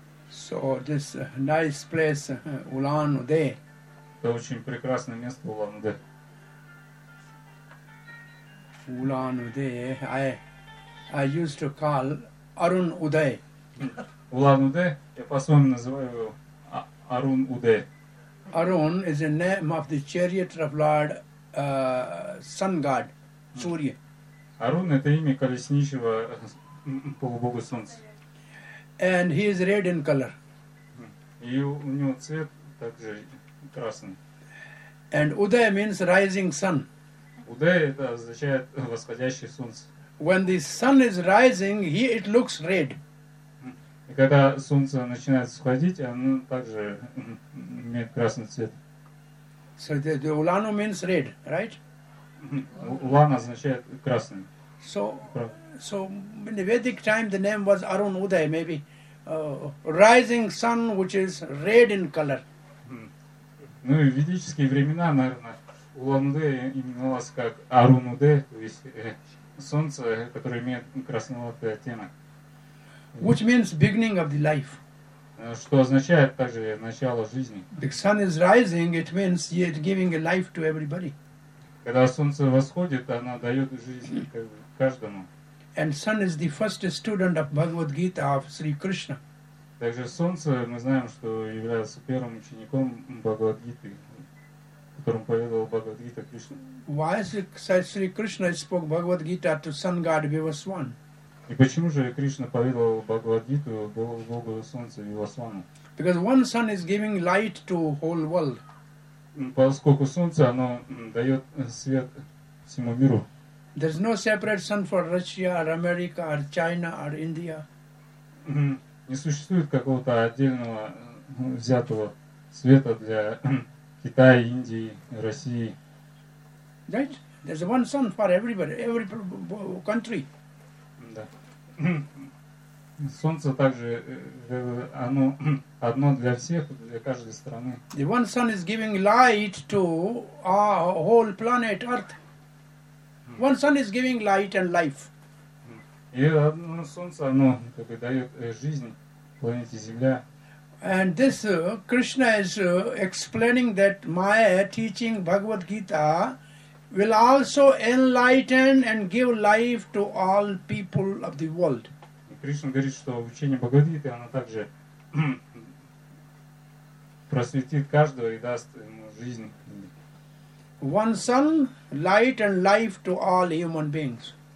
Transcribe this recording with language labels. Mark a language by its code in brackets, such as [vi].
[en] So this nice place Улан-Удэ. [ru] Это очень прекрасное место Улан-Удэ. [en] Улан-Удэ, I used to call Arun Uday. [ru] Ulan Ude, я по-своему называю его Arun Ude. [en] Arun is the name of the chariot of Lord Sun God, Surya. [ru] Arun это имя колесничего полубога солнца. [en] And he is red in color. [ru] И у него цвет также красный. [en] And Uday means rising sun. [ru] Uday это означает восходящее солнце. [en] When the sun is rising, it looks red. [ru] И когда солнце начинает сходить, оно также имеет красный цвет. [en] So the Ulanu means red, right? [ru] Ulan означает красный. [en] So in the Vedic time, the name was Arun Uday, maybe rising sun, which is red in color. [ru] Ну и в ведические времена, наверное, Улан Удэ именовалось как Арун Удэ, то есть солнце, которое имеет красноватый оттенок. [en] Which means beginning of the life. [ru] Что означает также начало жизни. [en] The sun is rising, it means it giving a life to everybody. [ru] Когда солнце восходит, оно дает жизнь каждому. [en] And sun is the first student of Bhagavad Gita of Sri Krishna. [ru] Также солнце, мы знаем, что является первым учеником Бхагавад Гиты, которому поведал Бхагавад Гита Кришна. [en] Why Sri Krishna spoke Bhagavad Gita to Sun God Vivaswan? [ru] И почему же Кришна поведал Бхагавад Гиту Богу Солнца Вивасвану? [en] Because one sun is giving light to whole world. [ru] Поскольку солнце оно дает свет всему миру. [en] There's no separate sun for Russia or America or China or India. [ru] Не существует какого-то отдельного взятого света для Китая, Индии, России. [en] Right? There's one sun for everybody, every country. [ru] Да. Солнце также, оно одно для всех, для каждой страны. [en] The one sun is giving light to our whole planet Earth. One sun is giving light and life. [ru] И одно солнце, оно как бы дает жизнь планете Земля. [en] And this Krishna is explaining that Maya teaching Bhagavad Gita will also enlighten and give life to all people of the world. [ru] Кришна говорит, что учение Бхагавад Гиты оно также просветит каждого и даст ему жизнь. [en] One sun, light and life to all human beings.